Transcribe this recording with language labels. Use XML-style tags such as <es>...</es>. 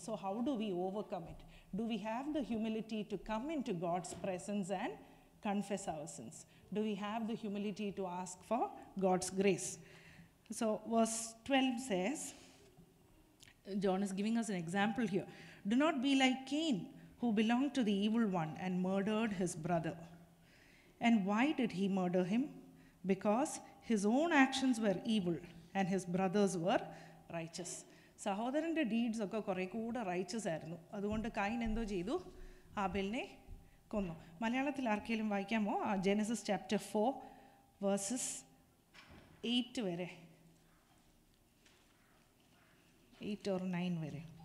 <en>So how do we overcome it? Do we have the humility to come in to God's presence and confess our sins? Do we have the humility to ask for God's grace? So verse 12 says, John is giving us an example here, do not be like Cain who belonged to the evil one and murdered his brother. And why did he murder him? Because his own actions were evil and his brother's were righteous.</en> <ml>സഹോദരൻ്റെ deeds ഒക്കെ കുറേ കൂടെ righteous ആയിരുന്നു, അതുകൊണ്ട് Kine എന്തോ ചെയ്തു, ആബേലിനെ കൊന്നു. മലയാളത്തിൽ ആർക്കെങ്കിലും വായിക്കാമോ ആ ജനസിസ് ചാപ്റ്റർ 4 വേഴ്സസ് 8 വരെ, 8 or 9 വരെ?</ml>